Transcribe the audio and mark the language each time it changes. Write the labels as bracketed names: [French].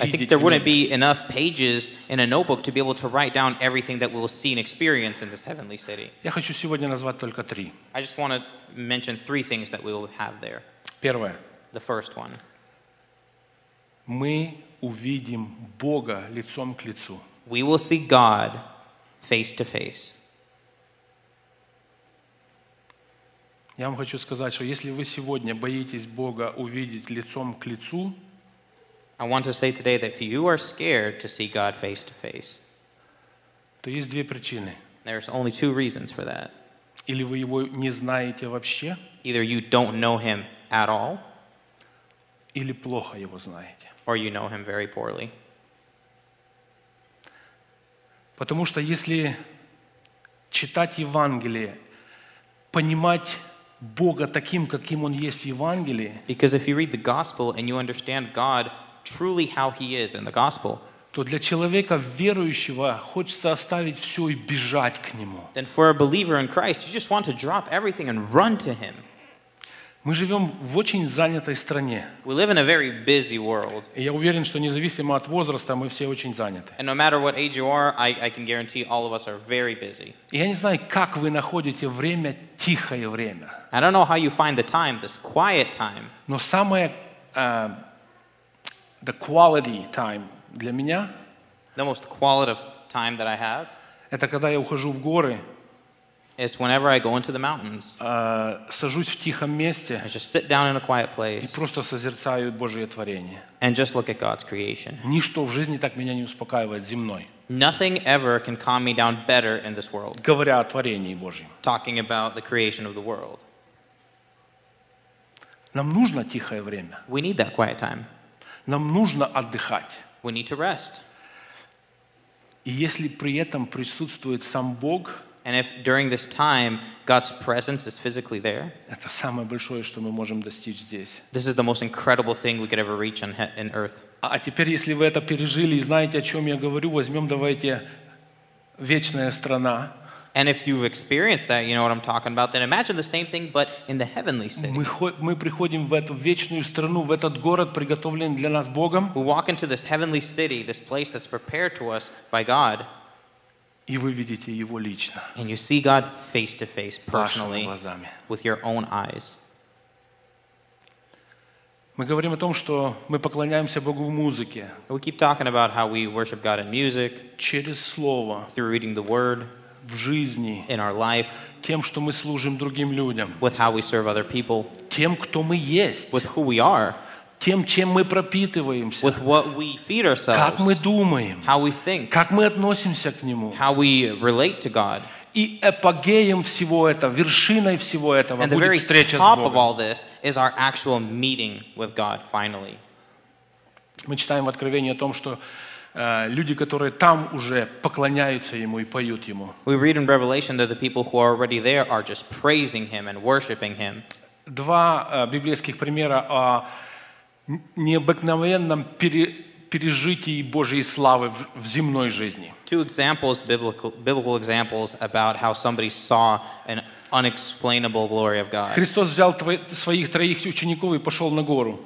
[English] I think there wouldn't be enough pages in a notebook to be able to write down everything that we'll see and experience in this heavenly city. [Russian] Я хочу сегодня назвать только три. [English] I just want to mention three things that we will have there. [Russian] Первое. [English] The first one. [Russian] Мы увидим Бога лицом к лицу. [English] We will see God face to face. [Russian] Я вам хочу сказать, что если вы сегодня боитесь Бога увидеть лицом к лицу, [English] I want to say today that if you are scared to see God face to face, [Russian] то есть две причины. [English] There's only two reasons for that. [Russian] Или вы его не знаете вообще. [English] Either you don't know him at all. [Russian] Или плохо его знаете. [English] Or you know him very poorly. [Russian] Потому что если читать Евангелие, понимать Бога таким, каким он есть в Евангелии. [English] Because if you read the gospel and you understand God truly how he is in the gospel, [Russian] то для человека верующего хочется оставить все и бежать к нему. [English] Then for a believer in Christ, you just want to drop everything and run to him. [Russian] Мы живем в очень занятой стране. [English] We live in a very busy world. [Russian] И я уверен, что независимо от возраста, мы все очень заняты. [English] And no matter what age you are, I can guarantee all of us are very busy. [Russian] И я не знаю, как вы находите время, тихое время. [English] I don't know how you find the time, this quiet time. [Russian] Но самое, [English] the quality time [Russian] для меня, [English] the most quality of time that I have, [Russian] это когда я ухожу в горы. [English] It's whenever I go into the mountains. [Russian] Сажусь в тихом месте. [English] I just sit down in a quiet place. [Russian] И просто созерцаю Божие творение. [English] And just look at God's creation. [Russian] Ничто в жизни так меня не успокаивает земной. [English] Nothing ever can calm me down better in this world. [Russian] Говоря о творении Божьем. [English] Talking about the creation of the world. [Russian] Нам нужно тихое время. [English] We need that quiet time. [Russian] Нам нужно отдыхать. [English] We need to rest. [Russian] И если при этом присутствует сам Бог. [English] And if during this time God's presence is physically there, [Russian] это самое большое, что мы можем достичь здесь. [English] This is the most incredible thing we could ever reach on in earth. [Russian] А теперь, если вы это пережили и знаете, о чем я говорю, возьмем давайте вечная страна. [English] And if you've experienced that, you know what I'm talking about, then imagine the same thing, but in the heavenly city. We walk into this heavenly city, this place that's prepared to us by God. And you see God face to face, personally, with your own eyes. [Russian] Мы говорим о том, что мы поклоняемся Богу в музыке. [English] We keep talking about how we worship God in music. [Russian] Через слово. [English] Through reading the word. [Russian] В жизни. [English] In our life. [Russian] Тем, что мы служим другим людям. [English] With how we serve other people. [Russian] Тем, кто мы есть. [English] With who we are. [Russian] Тем, чем мы пропитываемся. [English] With what we feed ourselves. [Russian] Как мы думаем. [English] How we think. [Russian] Как мы относимся к Нему. [English] How we relate to God. [Russian] И апогеем всего этого, вершиной всего этого будет встреча с Богом. [English] And the very top of all this is our actual meeting with God, finally. [Russian] Мы читаем в Откровении о том, что люди, которые там уже поклоняются Ему и поют Ему. [English] We read in Revelation that the people who are already there are just praising Him and worshiping Him. [Russian] Два библейских примера о необыкновенном пережитии Божьей славы в земной жизни. [English] Two examples, biblical examples about how somebody saw an unexplainable glory of God. [Russian] Христос взял своих троих учеников и пошел на гору.